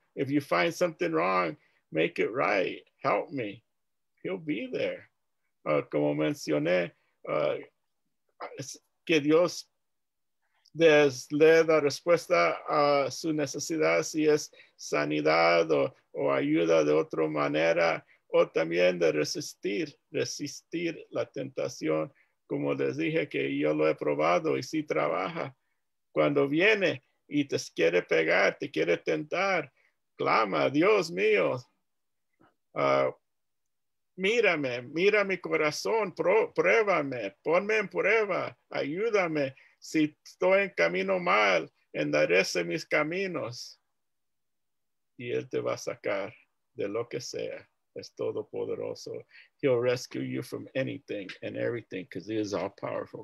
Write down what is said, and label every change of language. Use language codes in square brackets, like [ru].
[en] If you find something wrong, make it right. Help me. He'll be there. [es] Como mencioné, que Dios les dé la respuesta a su necesidad, si es sanidad o ayuda de otra manera, o también de resistir la tentación. Como les dije, que yo lo he probado y sí trabaja. Cuando viene y te quiere pegar, te quiere tentar, clama, Dios mío, mírame, mira mi corazón, pruébame, ponme en prueba, ayúdame. Si estoy en camino mal, enderece mis caminos. Y Él te va a sacar de lo que sea. es todopoderoso. [en] He'll rescue you from anything and everything because he is all powerful.